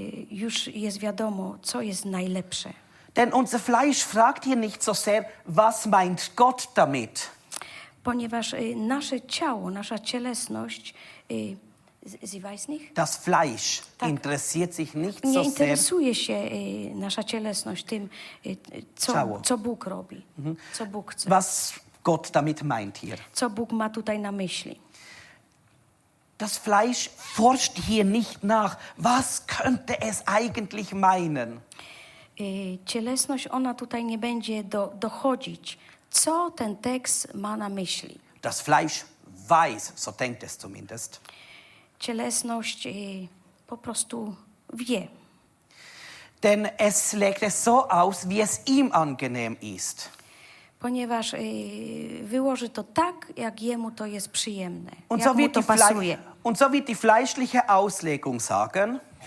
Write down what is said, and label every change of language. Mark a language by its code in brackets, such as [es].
[pl] Już jest wiadomo, co jest najlepsze. [de] Denn unser Fleisch fragt hier nicht so sehr, was meint Gott damit. [pl] Ponieważ nasze ciało, nasza cielesność, [de] sie weiß nicht. Das Fleisch tak. interessiert sich nicht [pl] Nie [de] so sehr. [pl] Nie interesuje się nasza cielesność tym, co Bóg robi, co Bóg chce. [de] Was Gott damit meint hier. [pl] Co Bóg ma tutaj na myśli. [de] Das Fleisch forscht hier nicht nach, was könnte es eigentlich meinen. [pl] Cielesność, ona tutaj nie będzie dochodzić, co ten tekst ma na myśli. [de] Das Fleisch weiß, so denkt es zumindest. [pl] Cielesność po prostu wie. [de] Denn es legt es so aus, wie es ihm angenehm ist. [pl] Ponieważ wyłoży to tak, jak jemu to jest przyjemne. [de] Und so wird die fleischliche Auslegung sagen.